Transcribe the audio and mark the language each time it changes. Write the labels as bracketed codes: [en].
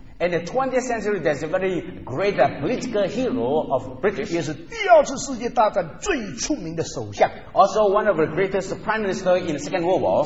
[en] In the 20th century, there's a very great political hero of British. [zh] 也是第二次世界大战最出名的首相。 [en] Also one of the greatest prime minister in the Second World War.